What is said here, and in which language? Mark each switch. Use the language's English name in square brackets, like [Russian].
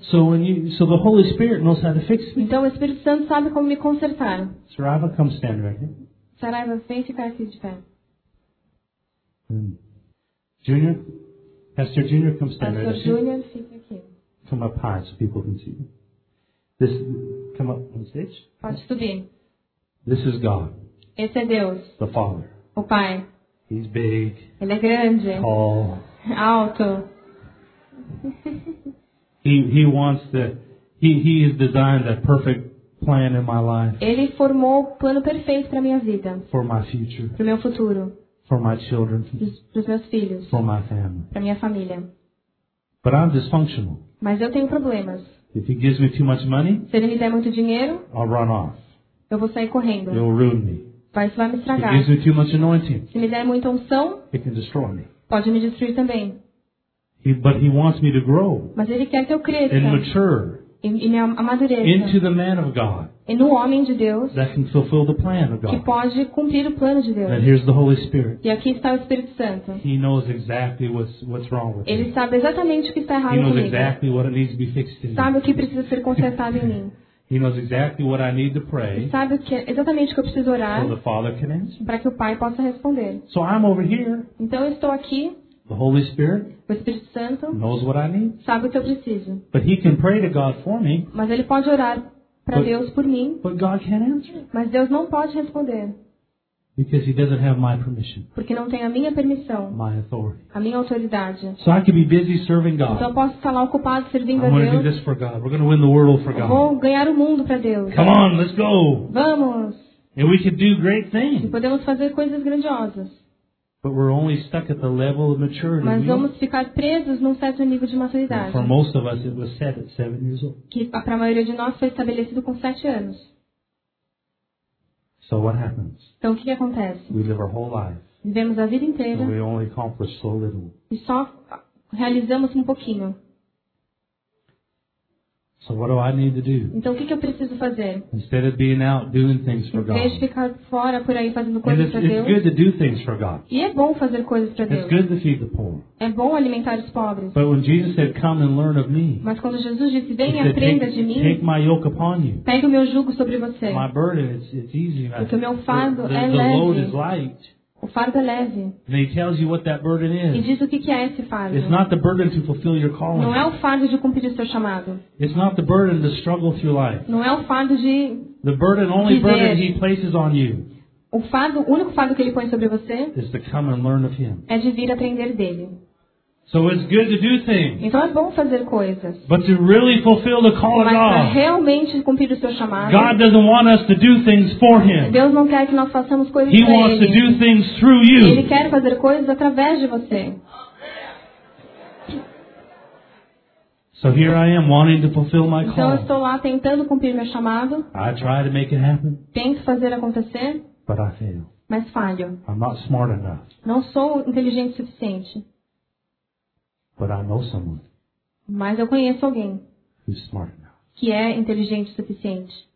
[English] So the Holy Spirit knows how to fix me. [Portuguese] Então o Espírito Santo sabe como me consertar. [English] Saraiva, come stand right here. [Portuguese] Saraiva, vem ficar aqui de pé. [English] Junior, Pastor Junior, come stand [Portuguese] Pastor [English] right here. [Portuguese] Pastor Junior, fica aqui. [English] come up high so people can see. This come up on stage. [Portuguese] Pode subir. [English] This is God. [Portuguese] Esse é Deus. [English] The Father. [Portuguese] O Pai. [English] He's big. [Portuguese] Ele é grande. [English] Tall. [Portuguese] Alto. [English] He wants to. He has designed a perfect plan in my life. [Portuguese] Ele formou o plano perfeito para minha vida. [English] For my future. [Portuguese] Para o meu futuro. [English] For my children. [Portuguese] Para os meus filhos. [English] For my family. [Portuguese] Para minha família. [English] But I'm dysfunctional. [Portuguese] Mas eu tenho problemas. [English] If he gives me too much money, [Portuguese] se ele me der muito dinheiro, [English] I'll run off. [Portuguese] Eu vou sair correndo. [English] It'll ruin me. [Portuguese] Vai me estragar. [English] If he gives me too much anointing, [Portuguese] se me der muita unção, [English] it can destroy me. [Portuguese] Pode me destruir também. [English] But he wants me to grow. [Portuguese] Mas ele quer que eu cresça. [English] And mature. [Portuguese] E me amadureça. [English] Into the man of God. [Portuguese] E no homem de Deus. [English] That can fulfill the plan of God. [Portuguese] Que pode cumprir o plano de Deus. [English] And here's the Holy Spirit. [Portuguese] E aqui está o Espírito Santo. [English] He knows exactly what's wrong with [Portuguese] ele [English] me. [Portuguese] Sabe exatamente o que está errado em mim. [English] He knows [Portuguese] comigo. [English] Exactly what it needs to be fixed in. [Portuguese] Sabe o que precisa ser consertado em mim. [English] He knows exactly what I need to pray. [Portuguese] Ele sabe exatamente o que eu preciso orar. [English] So the Father can answer. [Portuguese] Para que o Pai possa responder. [English] So I'm over here. [Portuguese] Então eu estou aqui. [English] The Holy Spirit, [Portuguese] o Espírito Santo, [English] knows what I need. [Portuguese] Sabe o que eu preciso. [English] But he can pray to God for me. [Portuguese] Mas ele pode orar para Deus por mim. [English] But God can't answer. [Portuguese] Mas Deus não pode responder. [English] Because he doesn't have my permission. [Portuguese] Porque não tem a minha permissão. [English] My authority. [Portuguese] A minha autoridade. [English] So I can be busy serving God. [Portuguese] Então eu posso estar lá ocupado servindo [English] I'm [Portuguese] a Deus. [English] Do this for God. We're going to win the world for God. [Portuguese] Vou ganhar o mundo para Deus. [English] Come on, let's go. [Portuguese] Vamos. [English] And we can do great things. [Portuguese] E podemos fazer coisas grandiosas. [English] But we're only stuck at the level of maturity. [Portuguese] Mas vamos ficar presos num certo nível de maturidade. [English] For most of us, it was set at 7 years old. [Portuguese] Que para a maioria de nós foi estabelecido com 7 anos. [English] So what happens? [Portuguese] Então o que acontece? [English] We live our whole life. [Portuguese] Vivemos a vida inteira. [English] And we only accomplish so little. [Portuguese] E só realizamos um pouquinho. [English] So what do I need to do? [Portuguese] Então o que eu preciso fazer? [English] Instead of being out doing things for God. [Portuguese] Em vez de ficar fora por aí fazendo coisas para Deus. [English] It's good to do things for God. [Portuguese] E é bom fazer coisas para Deus. [English] It's good to feed the poor. [Portuguese] É bom alimentar os pobres. [English] But when Jesus said, "Come and learn of me," [Portuguese] mas quando Jesus disse, "Vem e aprenda de mim." [English] Take my yoke upon you. [Portuguese] Pegue o meu jugo sobre você. [English] My burden it's easy. [Portuguese] Porque o meu fardo é leve. [English] The load is light. [Portuguese] O fardo é leve. [English] And he tells you what that burden is. [Portuguese] E diz o que é esse fardo. [English] It's not the burden to fulfill your calling. [Portuguese] Não é o fardo de cumprir o seu chamado. [English] It's not the burden to struggle through life. [Portuguese] Não é o fardo de [English] the burden, only [Portuguese] viver. [English] Burden he places on you. [Portuguese] O fardo, o único fardo que ele põe sobre você [English] is to come and learn of him. [Portuguese] É de vir aprender dele. [English] So it's good to do things. [Portuguese] Então é bom fazer coisas. [English] But to really fulfill the call [Portuguese] mas [English] of God. [Portuguese] Realmente cumprir o seu chamado. [English] God doesn't want us to do things for him. [Portuguese] Deus não quer que nós façamos coisas [English] he [Portuguese] para [English] wants [Portuguese] ele. [English] To do things through you. [Portuguese] Ele quer fazer coisas através de você. [English] So here I am wanting to fulfill my call. [Portuguese] Então eu estou lá tentando cumprir meu chamado. [English] I try to make it happen. [Portuguese] Tento fazer acontecer. [English] But I fail. [Portuguese] Mas falho. [English] I'm not smart enough. [Portuguese] Não sou inteligente o suficiente. [English] But I know someone. [Portuguese] Mas eu conheço alguém. [English] Who's smart enough. [Portuguese] Que é inteligente o suficiente.